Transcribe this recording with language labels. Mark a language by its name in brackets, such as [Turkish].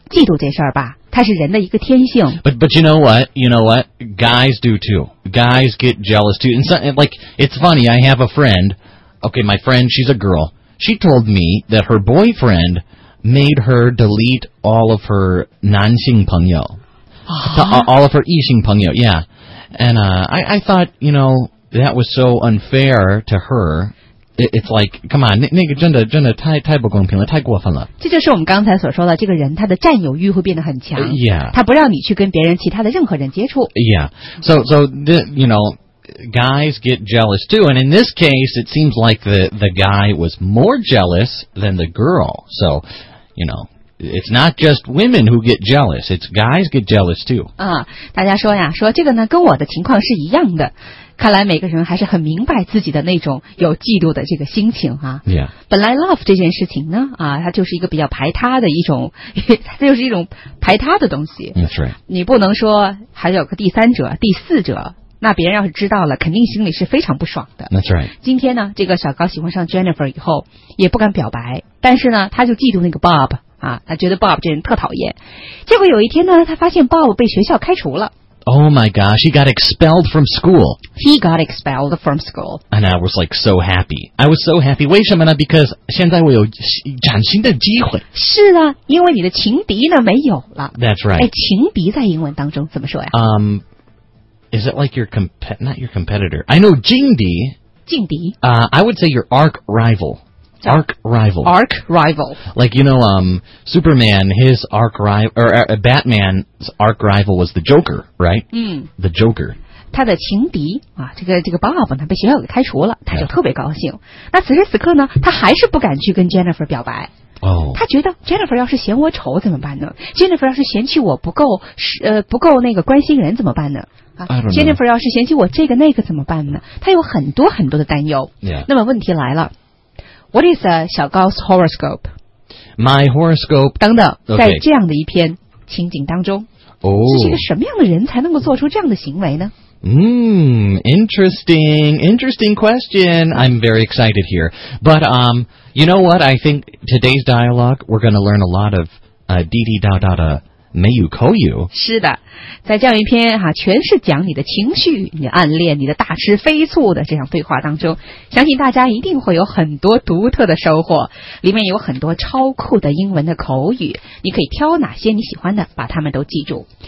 [Chinese] 嫉妒这事儿吧它是人的一个天性。 [English] But you know what? You know what? Guys do too. Guys get jealous too. And so, like, it's funny, I have a friend. Okay, my friend, she's a girl. She told me that her boyfriend made her delete all of her [Chinese] 男性朋友、 uh-huh. [English] All of her [Chinese] 异性朋友 [English] yeah. And I thought, you know, that was so unfair to her. It's like, come on, [Chinese] 那个真的太不公平了，太过分了。这就是我们刚才所说的，这个人他的占有欲会变得很强。 [English] Yeah. [Chinese] 他不让你去跟别人其他的任何人接触。 [English] Yeah. So the, you know, guys get jealous too. And in this case, it seems like the guy was more jealous than the girl. So, you know. It's not just women who get jealous. It's guys get jealous too. [Chinese] 啊，大家说呀，说这个呢，跟我的情况是一样的。看来每个人还是很明白自己的那种有嫉妒的这个心情啊。 [English] Yeah. [Chinese] 本来 love 这件事情呢，啊，它就是一个比较排他的一种，它就是一种排他的东西。 [English] That's right. [Chinese] 你不能说还有个第三者、第四者。那别人要是知道了肯定心里是非常不爽的 [English] That's right [Chinese] 今天呢这个小高喜欢上 Jennifer 以后也不敢表白但是呢他就嫉妒那个 Bob 啊，他觉得 Bob 这人特讨厌结果有一天呢他发现 Bob 被学校开除了 [English] Oh my gosh He got expelled from school He got expelled from school And I was like so happy I was so happy [Chinese] 为什么呢 [English] Because [Chinese] 现在我有崭新的机会是啊因为你的情敌呢没有了 [English] That's right [Chinese] 哎，情敌在英文当中怎么说呀 [English] Is it like not your competitor? I know 劲敌 [Chinese] 劲敌 [English] I would say your arch rival arch rival. Arch rival. Like, you know, Superman, his arch rival, or Batman's arch rival was the Joker, right? Mm. The Joker. [Chinese] 他的情敌啊，这个 Bob 呢，被学校给开除了，他就特别高兴。 Yeah. 那此时此刻呢，他还是不敢去跟 Jennifer 表白。 Oh. 他觉得 Jennifer 要是嫌我丑怎么办呢？Jennifer 要是嫌弃我不够那个关心人怎么办呢？啊， Jennifer 要是嫌弃我这个那个怎么办呢？他有很多很多的担忧。 [English] Yeah. [Chinese] 那么问题来了 [English] ，What is a 小高's horoscope? My horoscope [Chinese] 等等， [English] okay. [Chinese] 在这样的一篇情景当中，哦、oh. ，是一个什么样的人才能够做出这样的行为呢？ [English] Interesting, interesting question. I'm very excited here. But, you know what? I think today's dialogue, we're going to learn a lot of, di di da da da, mei you ko you. [Chinese] 是的，在这样一篇哈、啊，全是讲你的情绪、你暗恋、你的大吃飞醋的这样对话当中，相信大家一定会有很多独特的收获。里面有很多超酷的英文的口语，你可以挑哪些你喜欢的，把它们都记住。